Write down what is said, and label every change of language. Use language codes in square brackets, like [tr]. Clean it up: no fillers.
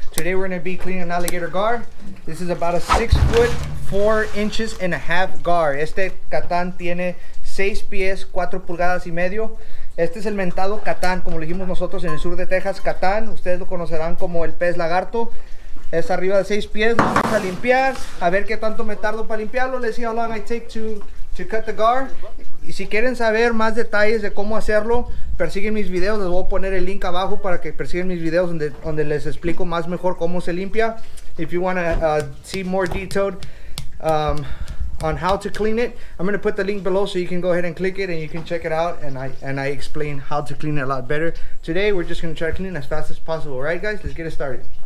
[en] Today we're going to be cleaning an alligator gar. This is about a 6'4" and a half gar. [es] Este catán tiene 6 pies, 4 pulgadas y medio. Este es el mentado catán, como lo dijimos nosotros en el sur de Texas. Catán, ustedes lo conocerán como el pez lagarto. Es arriba de 6 pies, lo vamos a limpiar. A ver qué tanto me tardo para limpiarlo. [en] Let's see how long I take to cut the gar. [es] Y si quieren saber más detalles de cómo hacerlo, persiguen mis videos. Les voy a poner el link abajo para que persiguen mis videos donde les explico más mejor cómo se limpia. [en] If you want to see more detailed on how to clean it, I'm going to put the link below so you can go ahead and click it and you can check it out. And I explain how to clean it a lot better. Today, we're just going to try cleaning as fast as possible. All right, guys, let's get it started.